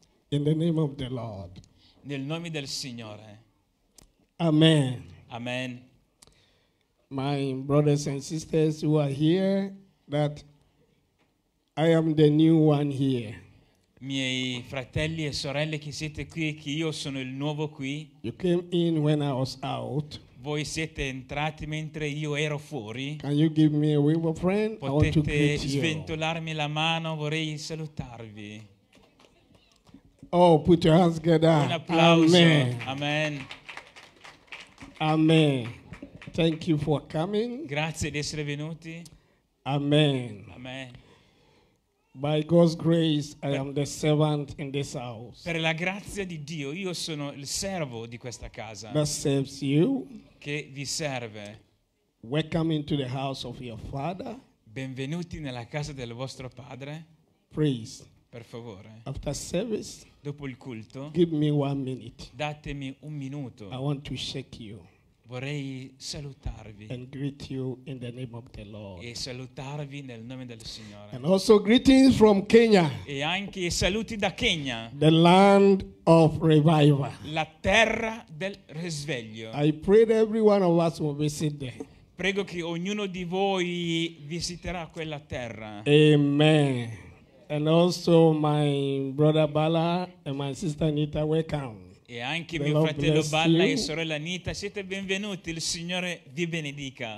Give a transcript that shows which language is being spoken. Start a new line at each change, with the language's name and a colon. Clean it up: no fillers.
English: In the name of the Lord.
Italian: Nel nome del Signore.
English: Amen.
Italian: Amen.
English: My brothers and sisters who are here, that I am the new one here.
Italian: Miei fratelli e sorelle che siete qui e che io sono il nuovo qui.
English: You came in when I was out.
Italian: Voi siete entrati mentre io ero fuori.
English: Can you give me a wave of friend?
Italian: Potete,
English: I want to greet you.
Italian: Sventolarmi la mano, vorrei salutarvi.
English: Oh, put your hands together.
Italian: Un applauso.
English: Amen.
Italian: Amen.
English: Amen. Thank you for coming.
Italian: Grazie di essere venuti.
English: Amen.
Italian: Amen.
English: By God's grace, I am the servant in this house.
Italian: Per la grazia di Dio, io sono il servo di questa casa.
English: That serves you.
Italian: Che vi serve.
English: Welcome into the house of your father.
Italian: Benvenuti nella casa del vostro padre.
English: Please.
Italian: Per favore.
English: After service.
Italian: Dopo il culto.
English: Give me 1 minute.
Italian: Datemi un minuto.
English: I want to shake you.
Italian: Vorrei salutarvi.
English: And greet you in the name of the Lord.
Italian: E salutarvi nel nome del Signore.
English: And also greetings from Kenya.
Italian: E anche saluti da Kenya.
English: The land of revival.
Italian: La terra del risveglio.
English: I pray that every one of us will visit there.
Italian: Prego che ognuno di voi visiterà quella terra.
English: Amen. And also my brother Bala and my sister Anita, welcome.
Italian: E anche mio fratello Balla e sorella Anita, siete benvenuti, il Signore vi benedica.